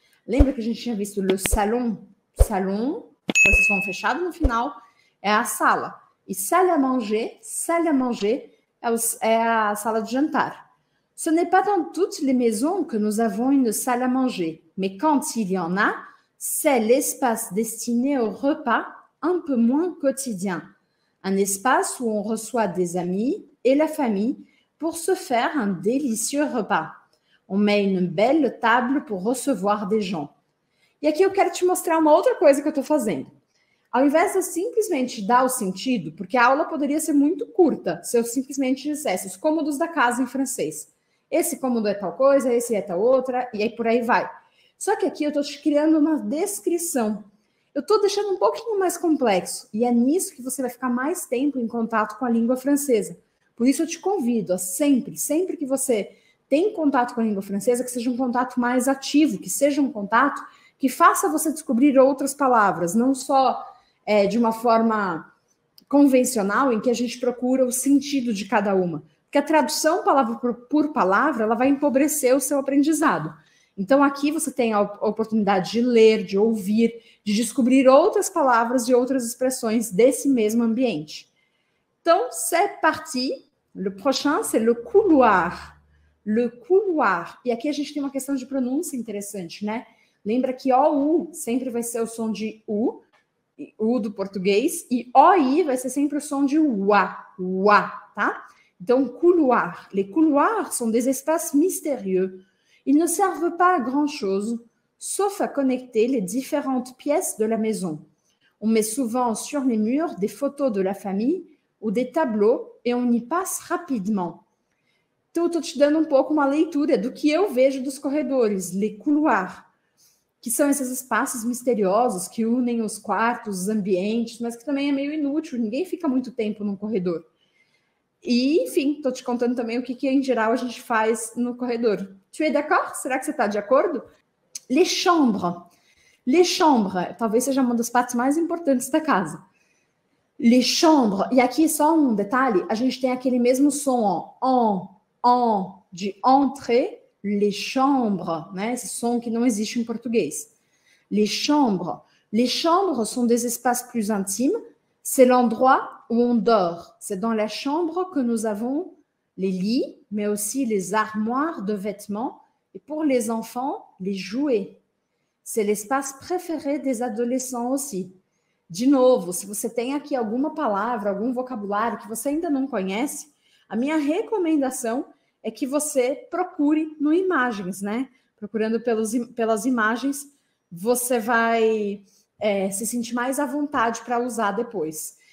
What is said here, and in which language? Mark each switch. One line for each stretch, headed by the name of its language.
Portuguese: Lembra que a gente tinha visto le salon? Salon, vocês vão fechado no final, é a sala. E salle à manger é a sala de jantar.
French: Ce n'est pas dans toutes les maisons que nous avons une salle à manger, mais quand il y en a, c'est l'espace destiné au repas un peu moins quotidien. Un espace où on reçoit des amis et la famille pour se faire un délicieux repas. On met une belle table pour recevoir des gens.
Portuguese: E aqui eu quero te mostrar uma outra coisa que eu estou fazendo. Ao invés de simplesmente dar o sentido, porque a aula poderia ser muito curta se eu simplesmente dissesse os cômodos da casa em francês. Esse cômodo é tal coisa, esse é tal outra, e aí por aí vai. Só que aqui eu estou te criando uma descrição. Eu estou deixando um pouquinho mais complexo, e é nisso que você vai ficar mais tempo em contato com a língua francesa. Por isso eu te convido a sempre que você tem contato com a língua francesa, que seja um contato mais ativo, que seja um contato que faça você descobrir outras palavras, não só de uma forma convencional, em que a gente procura o sentido de cada uma. Porque a tradução palavra por palavra, ela vai empobrecer o seu aprendizado. Então, aqui você tem a oportunidade de ler, de ouvir, de descobrir outras palavras e outras expressões desse mesmo ambiente. Então,
French: c'est parti. Le prochain, c'est le couloir. Le couloir.
Portuguese: E aqui a gente tem uma questão de pronúncia interessante, né? Lembra que OU sempre vai ser o som de U do português, e OI vai ser sempre o som de UA, tá? Então, couloir.
French: Les couloirs sont des espaces mystérieux. Ils ne servent pas à grand-chose, sauf à connecter les différentes pièces de la maison. On met souvent sur les murs des photos de la famille ou des tableaux et on y passe rapidement.
Portuguese: Então, eu estou te dando um pouco uma leitura do que eu vejo dos corredores, les couloirs, que são esses espaços misteriosos que unem os quartos, os ambientes, mas que também é meio inútil, ninguém fica muito tempo num corredor. E, enfim, estou te contando também o que em geral, a gente faz no corredor.
French: Tu es d'accord?
Portuguese: Será que você está de acordo? Les chambres. Les chambres. Talvez seja uma das partes mais importantes da casa. Les chambres. E aqui, só um detalhe, a gente tem aquele mesmo som, ó. En, de entrée. Les chambres, né? Esse som que não existe em português.
French: Les chambres. Les chambres sont des espaces plus intimes. C'est l'endroit où on dort. C'est dans la chambre que nous avons les lits, mais aussi les armoires de vêtements. Et pour les enfants, les jouets. C'est l'espace préféré des adolescents aussi.
Portuguese: De novo, se você tem aqui alguma palavra, algum vocabulário que você ainda não conhece, a minha recomendação é que você procure no Imagens, né? Procurando pelas imagens, você vai se sentir mais à vontade para usar depois.